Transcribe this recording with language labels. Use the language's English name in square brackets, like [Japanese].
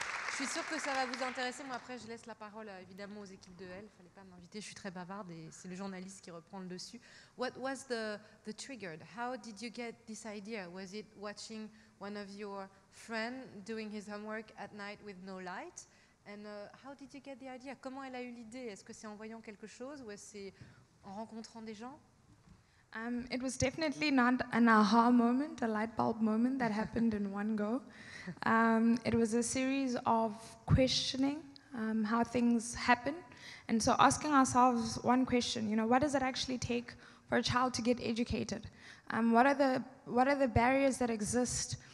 [French] Je suis sûre que ça va vous intéresser. Moi, après, je laisse la parole, évidemment, aux équipes de Elle. Il ne fallait pas m'inviter. Je suis très bavarde et c'est le journaliste qui reprend le dessus. [English] What was the trigger? How did you get this idea? Was it watching one of your friends doing his homework at night with no light? And how did you get the idea? [French] Comment elle a eu l'idée? Est-ce que c'est en voyant quelque chose ou est-ce que c'est en rencontrant des gens? [English] It was definitely not an aha moment, a light bulb moment that happened in one go. It was a series of questioning how things happen. And so asking ourselves one question, you know, what does it actually take for a child to get educated? What are the barriers that exist